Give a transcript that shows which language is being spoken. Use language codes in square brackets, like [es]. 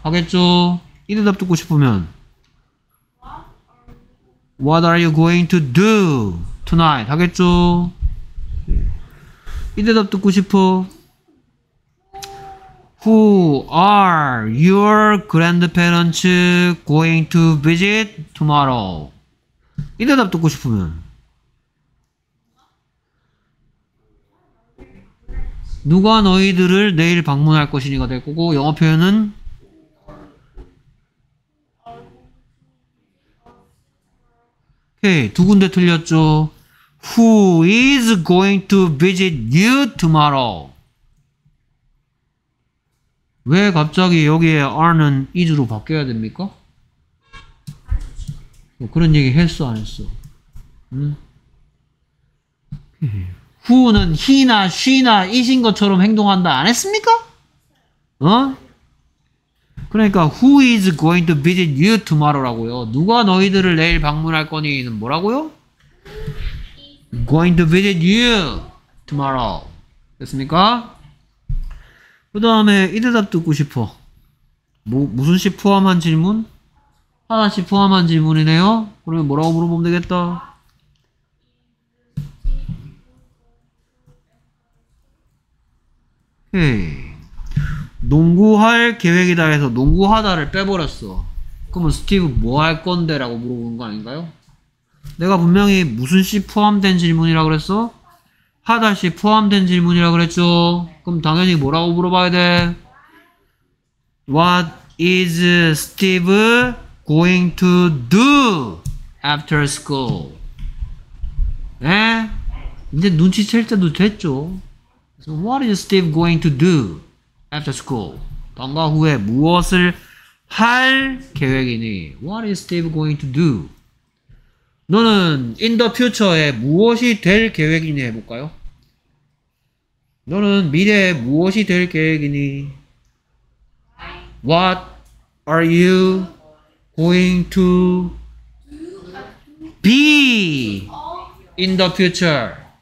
[ko] 하겠죠. 이 대답 듣고 싶으면 [en] What are you going to do tonight? [ko] 하겠죠? 이 대답 듣고 싶어. [en] Who are your grandparents going to visit tomorrow? [ko] 이 대답 듣고 싶으면 누가 너희들을 내일 방문할 것이니가 될 거고 영어 표현은 오케이, 두 군데 틀렸죠. [en] Who is going to visit you tomorrow? [ko] 왜 갑자기 여기에 are는 is로 바뀌어야 됩니까? 뭐 그런 얘기 했어 안 했어? 응? Who는 he나 she나 is인 것처럼 행동한다 안 했습니까? 어? 그러니까 [en] who is going to visit you tomorrow라고요. [ko] 누가 너희들을 내일 방문할 거니는 뭐라고요? [en] going to visit you tomorrow. [ko] 됐습니까? 그 다음에 이 대답 듣고 싶어. 뭐 무슨 시 포함한 질문? 하나씩 포함한 질문이네요. 그러면 뭐라고 물어보면 되겠다. 오케이. 농구할 계획이다 해서 농구하다를 빼버렸어. 그러면 스티브 뭐 할 건데? 라고 물어보는 거 아닌가요? 내가 분명히 무슨 시 포함된 질문이라고 그랬어? 하다 시 포함된 질문이라고 그랬죠. 그럼 당연히 뭐라고 물어봐야 돼? [en] What is Steve going to do after school. [ko] 네? 이제 눈치챌 때도 됐죠. [en] So what is Steve going to do after school? [ko] 방과 후에 무엇을 할 계획이니? [en] What is Steve going to do? [ko] 너는 [en] in the future에 [ko] 무엇이 될 계획이니 해볼까요? 너는 미래에 무엇이 될 계획이니? [en] What are you going to be in the future?